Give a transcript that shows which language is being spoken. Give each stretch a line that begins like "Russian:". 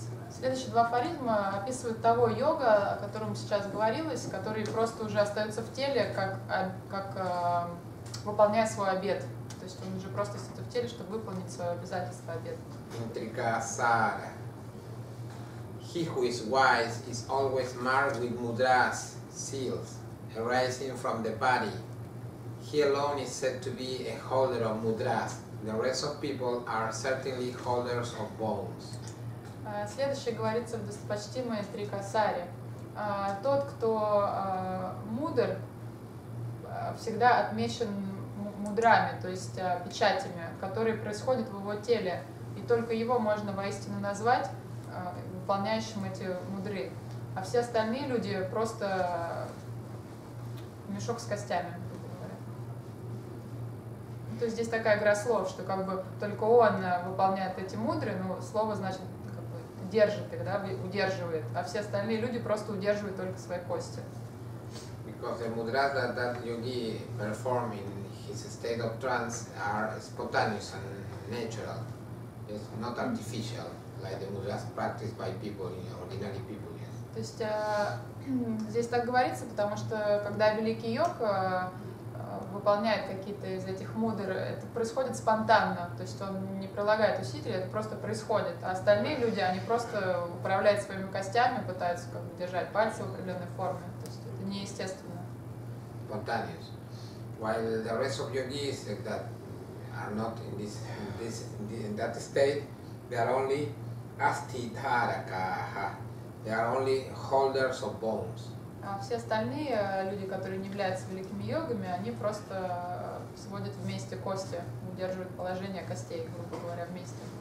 Russian: Следующие два афоризма описывают того йога, о котором сейчас говорилось, который просто уже остается в теле, как выполняя свой обет. То есть он уже просто стоит в теле, чтобы выполнить свое обязательство обет.
English: Intrika Sara. He who is wise is always marked with mudras, seals, arising from the body. He alone is said to be a holder of mudras. The rest of people are certainly holders of bones.
Russian: Следующее говорится в достопочтимой Трикасаре. тот, кто мудр, всегда отмечен мудрами, то есть печатями, которые происходят в его теле. И только его можно воистину назвать выполняющим эти мудры. А все остальные люди просто мешок с костями. То есть здесь такая игра слов, что как бы только он выполняет эти мудры, ну, слово, значит, как бы держит их, да, удерживает. А все остальные люди просто удерживают только свои кости.
English: Because the mudras that, that yogi perform in his state of trance are spontaneous and natural. It's not artificial, like the mudras practiced by people, you know, ordinary people, yes.
Russian: То есть здесь так говорится, потому что когда великий йог выполняет какие-то из этих мудр, это происходит спонтанно, то есть он не прилагает усилий, это просто происходит. А остальные люди, они просто управляют своими костями, пытаются как бы держать пальцы в определенной форме. То есть это неестественно.
English: Spontaneous. While the rest of yogis that are not in this, in that state, they are only asthitarakaha. They are only holders of bones.
Russian: А все остальные люди, которые не являются великими йогами, они просто сводят вместе кости, удерживают положение костей, грубо говоря, вместе.